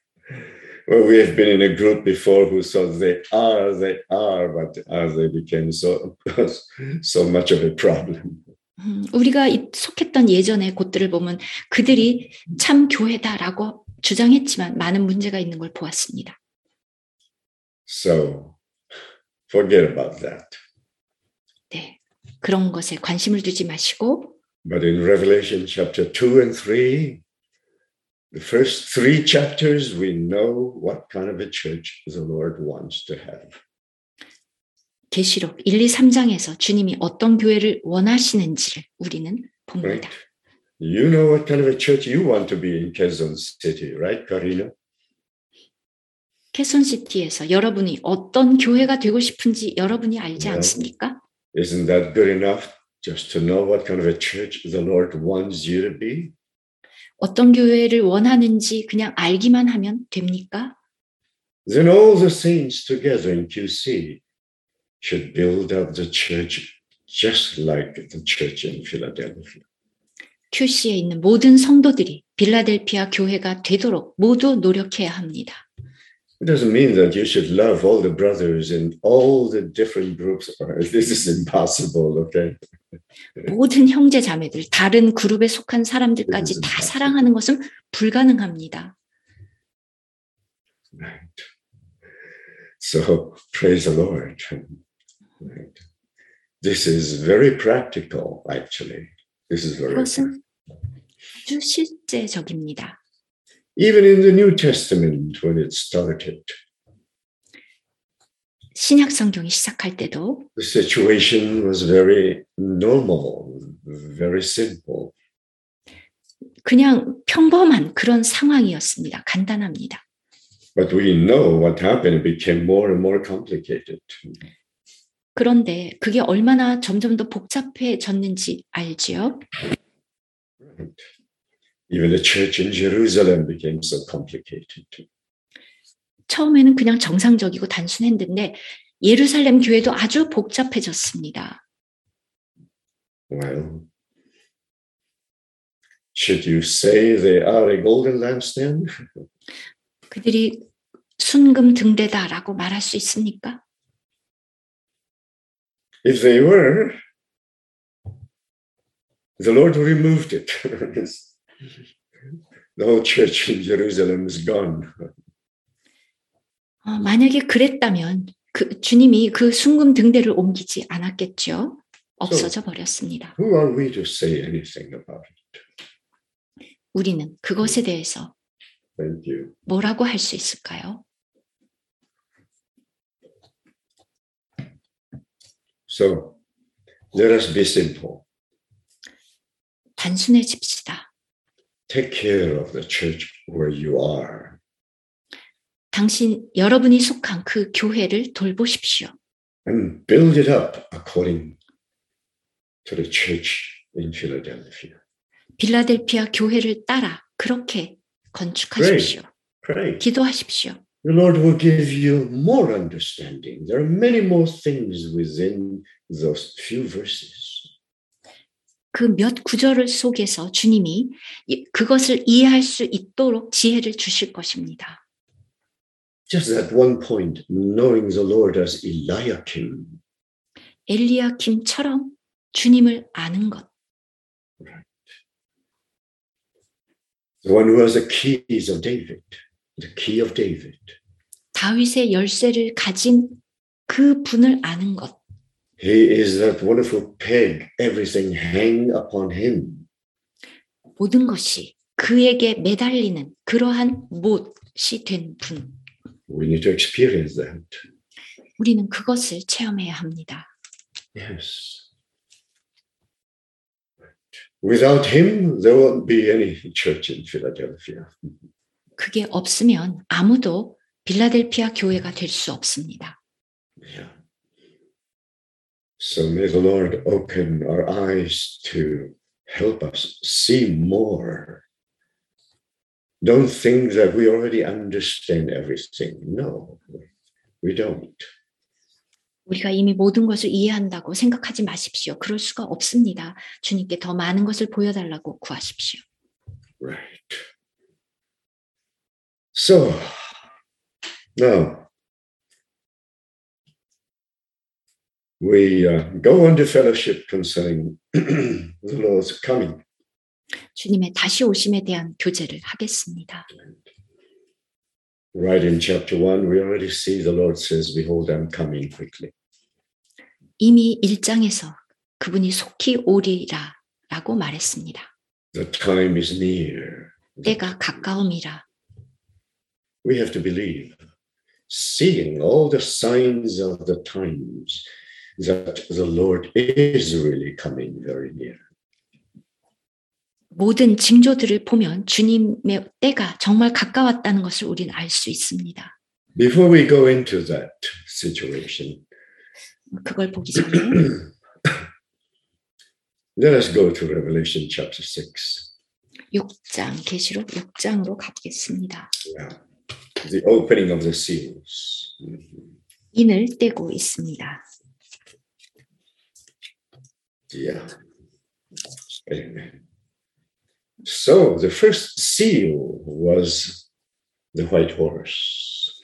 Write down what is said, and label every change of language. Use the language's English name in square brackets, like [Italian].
[English] Right. Well, we have been in a group before who thought they are, but as they became so much of a problem. [Korean] 우리가 속했던 예전의 곳들을 보면 그들이 참 교회다라고 주장했지만 많은 문제가 있는 걸 보았습니다. [English] So forget about that. [Korean] 네, 그런 것에 관심을 두지 마시고. [English] But in Revelation chapter 2 and 3, the first three chapters, we know what kind of a church the Lord wants to have. [Korean] 계시록 1, 2, 3장에서 주님이 어떤 교회를 원하시는지를 우리는 봅니다. [English] Right. You know what kind of a church you want to be in Quezon City, right, Karina? [Korean] 퀘손시티에서 여러분이 어떤 교회가 되고 싶은지 여러분이 알지 yeah. 않습니까? [English] Isn't that good enough just to know what kind of a church the Lord wants you to be? [Korean] 어떤 교회를 원하는지 그냥 알기만 하면 됩니까? [English] Then all the saints together in QC should build up the church just like the church in Philadelphia. [Korean] QC에 있는 모든 성도들이 빌라델피아 교회가 되도록 모두 노력해야 합니다. [English] It doesn't mean that you should love all the brothers in all the different groups. This is impossible, okay? [Korean] 모든 형제 자매들, 다른 그룹에 속한 사람들까지 다 사랑하는 것은 불가능합니다. [English] Right. So, praise the Lord. Right. This is very practical, actually. This is very practical. [Korean] 실제적입니다. [English] Even in the New Testament, when it started, [Korean] 신약 성경이 시작할 때도 [English] the situation was very normal, very simple. [Korean] 그냥 평범한 그런 상황이었습니다. 간단합니다. [English] But we know what happened. It became more and more complicated. [Korean] 그런데 그게 얼마나 점점 더 복잡해졌는지 알지요? [English] Even the church in Jerusalem became so complicated. [Korean] 처음에는 그냥 정상적이고 단순했는데 예루살렘 교회도 아주 복잡해졌습니다. [English] Well, should you say they are a golden lampstand? [Korean] 그들이 순금 등대다라고 말할 수 있습니까? [English] If they were, the Lord removed it. The whole church in Jerusalem is gone. [Korean] 만약에 그랬다면 그 주님이 그 순금 등대를 옮기지 않았겠죠. 없어져 버렸습니다. [English] So, who are we to say anything about it? [Korean] 우리는 그것에 대해서 [English] Thank you. [Korean] 뭐라고 할 수 있을까요? [English] So, let us be simple. [Korean] 단순해집시다. [English] Take care of the church where you are. [Korean] 당신 여러분이 속한 그 교회를 돌보십시오. [English] And build it up according to the church in Philadelphia. [Korean] 빌라델피아 교회를 따라 그렇게 건축하십시오. [English] Pray. [Korean] 기도하십시오. [English] The Lord will give you more understanding. There are many more things within those few verses. [Korean] 그 몇 구절을 속에서 주님이 그것을 이해할 수 있도록 지혜를 주실 것입니다. [English] Just that one point, knowing the Lord as Eliakim. [Korean] 엘리야김처럼 주님을 아는 것. [English] Right. The one who has the keys of David, the key of David. [Korean] 다윗의 열쇠를 가진 그 분을 아는 것. [English] He is that wonderful peg, everything hang upon him. [Korean] 모든 것이 그에게 매달리는 그러한 못이 된 분. [English] We need to experience that. [Korean] 우리는 그것을 체험해야 합니다. [English] Yes. Without him, there won't be any church in Philadelphia. [Korean] 그게 없으면 아무도 빌라델피아 교회가 될 수 없습니다. [English] Yeah. So may the Lord open our eyes to help us see more. Don't think that we already understand everything. No, we don't. [Korean] 우리가 이미 모든 것을 이해한다고 생각하지 마십시오. 그럴 수가 없습니다. 주님께 더 많은 것을 보여달라고 구하십시오. [English] Right. So, now, We go on to fellowship concerning the Lord's coming. [Korean] 주님의 다시 오심에 대한 교제를 하겠습니다. [English] Right in chapter 1, we already see the Lord says, Behold, I'm coming quickly. [Korean] 이미 1장에서 그분이 속히 오리라 라고 말했습니다. [English] The time is near. [Korean] 때가 가까움이라. [English] We have to believe, seeing all the signs of the times, that the Lord is really coming very near. [Korean] 모든 징조들을 보면 주님의 때가 정말 가까웠다는 것을 우리는 알 수 있습니다. [English] Before we go into that situation, [Korean] 그걸 보기 전에, [English] let us go to Revelation chapter 6. [Korean] 6장, 계시록 6장으로 가보겠습니다. [English] Yeah. The opening of the seals. [Korean] 인을 떼고 있습니다. [English] Yeah. Amen. So the first seal was the white horse.